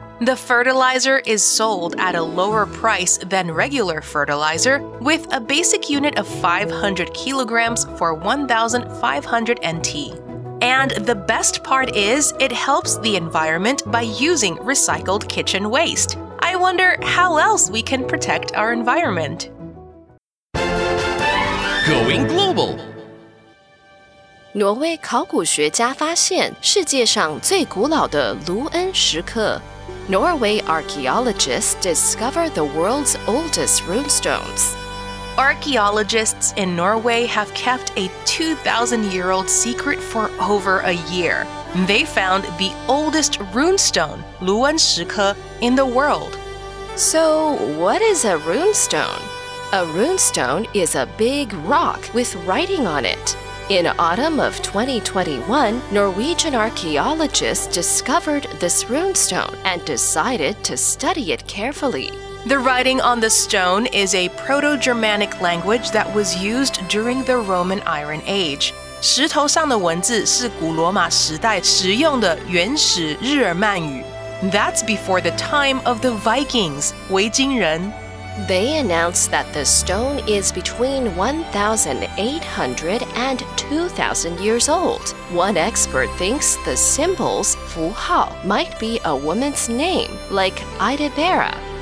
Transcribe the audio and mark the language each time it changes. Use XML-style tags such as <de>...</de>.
<en>The fertilizer is sold at a lower price than regular fertilizer, with a basic unit of 500 kilograms for 1,500 NT. And the best part is, it helps the environment by using recycled kitchen waste. I wonder how else we can protect our environment. Going global!</en> <zh>挪威考古学家发现世界上最古老的盧恩石刻。</zh> <en>Norway archaeologists discover the world's oldest runestones. Archaeologists in Norway have kept a 2,000-year-old secret for over a year. They found the oldest runestone, 盧恩石刻, in the world. So, what is a runestone? A runestone is a big rock with writing on it. In autumn of 2021, Norwegian archaeologists discovered this runestone and decided to study it carefully. The writing on the stone is a Proto-Germanic language that was used during the Roman Iron Age.</en> <zh>石头上的文字是古罗马时代使用的原始日耳曼语。</zh> <en>That's before the time of the Vikings, 维京人。 They announced that the stone is between 1,800 and 2,000 years old. One expert thinks the symbols, 符号, might be a woman's name, like Idibera.</en>